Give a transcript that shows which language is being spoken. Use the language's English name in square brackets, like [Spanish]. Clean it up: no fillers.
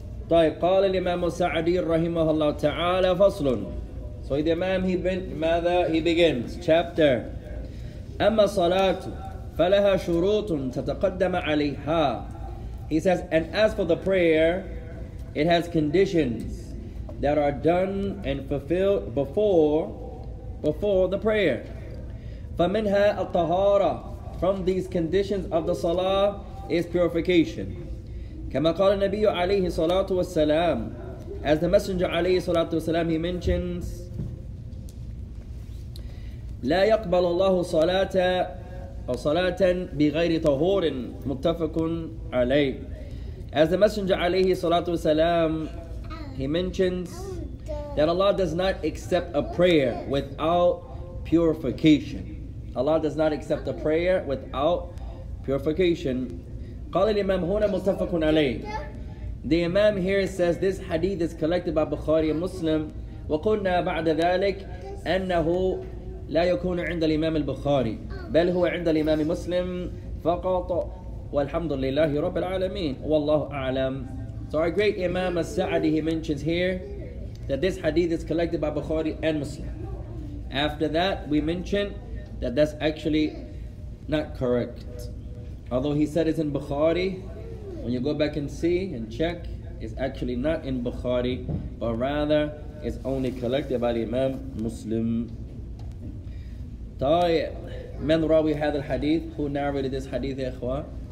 [Arabic] طيب قال الإمام السعدي رحمه الله تعالى فصل. [English] So the Imam he begins chapter. [Arabic] أما صلاة فلها شروط تتقدم عليها. [English] He says, and as for the prayer, it has conditions that are done and fulfilled before the prayer. [Arabic] فمنها الطهارة. [English] From these conditions of the salah is purification. [Arabic] كما قال النبي عليه الصلاة والسلام. [English] As the Messenger [Arabic] عليه الصلاة والسلام, [English] he mentions, [Arabic] لا يقبل الله صلاة أو صلاة بغير طهور متفق عليه. [English] As the Messenger [Arabic] عليه الصلاة والسلام, [English] he mentions that Allah does not accept a prayer without purification. Allah does not accept a prayer without purification. [Arabic] قال الإمام هنا متفق عليه. [English] The Imam here says this hadith is collected by Bukhari and Muslim. [Arabic] وقلنا بعد ذلك أنه لا يكون عند الإمام البخاري بل هو عند الإمام مسلم فقط والحمد لله رب العالمين والله أعلم. [English] So our great Imam al-Sa'di, he mentions here that this hadith is collected by Bukhari and Muslim. After that, we mention that that's actually not correct. Although he said it's in Bukhari, when you go back and see and check, it's actually not in Bukhari, but rather it's only collected by the Imam Muslim. [Arabic] طيب من راوي هذا الحديث؟ [English] Who narrated this hadith, [Arabic] يا إخوة؟